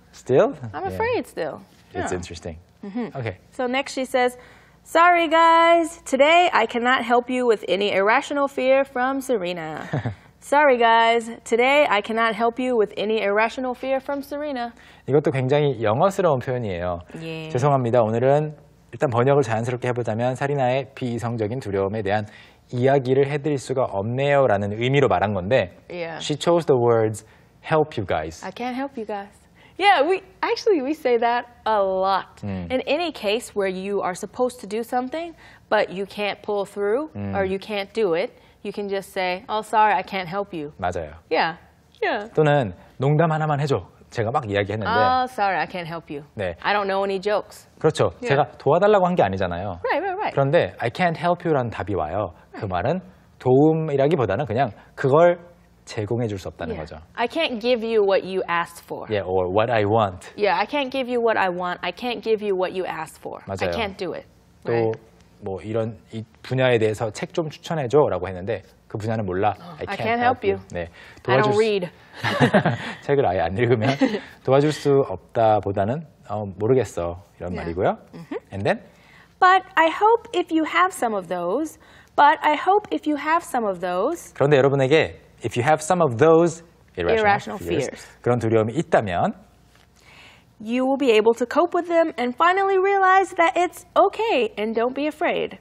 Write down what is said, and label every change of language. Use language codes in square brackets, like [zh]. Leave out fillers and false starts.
[en] Still? I'm afraid still. It's interesting. Mm-hmm. Okay. So next she says, sorry guys, today I cannot help you with any irrational fear from Serena. Sorry guys, today I cannot help you with any irrational fear from Serena. [ko] 이것도 굉장히 영어스러운 표현이에요. 예. 죄송합니다. 오늘은 일단 번역을 자연스럽게 해보자면 사리나의 비이성적인 두려움에 대한 이야기를 해드릴 수가 없네요 라는 의미로 말한 건데 [en] yeah. She chose the words help you guys. I can't help you guys. Yeah, we say that a lot. In any case where you are supposed to do something but you can't pull through or you can't do it, you can just say, oh, sorry, I can't help you. [ko] 맞아요. [en] Yeah. Yeah. [ko] 또는 농담 하나만 해줘. 제가 막 이야기했는데 [en] Oh, sorry, I can't help you. [ko] 네. [en] I don't know any jokes. [ko] 그렇죠. Yeah. 제가 도와달라고 한 게 아니잖아요. [en] Right, right, right. [ko] 그런데 [en] I can't help you [ko] 라는 답이 와요. 그 말은 도움이라기보다는 그냥 그걸 제공해 줄 수 없다는 [en] yeah. [ko] 거죠. [en] I can't give you what you asked for. Yeah, or what I want. Yeah, I can't give you what I want. I can't give you what you asked for. [ko] 맞아요. [en] I can't do it. [ko] 또 뭐 right. 이런 이 분야에 대해서 책 좀 추천해 줘 라고 했는데 그 분야는 몰라. [en] I can't help you. you. [ko] 네, 도와줄 [en] I don't read. [ko] 책을 아예 안 읽으면 도와줄 수 없다 보다는 모르겠어 이런 [en] yeah. [ko] 말이고요. Mm-hmm. [en] And then? But I hope if you have some of those. But I hope if you have some of those. [ko] 그런데 여러분에게 [en] if you have some of those irrational fears. [ko] 그런 두려움이 있다면 [en] you will be able to cope with them and finally realize that it's okay and don't be afraid.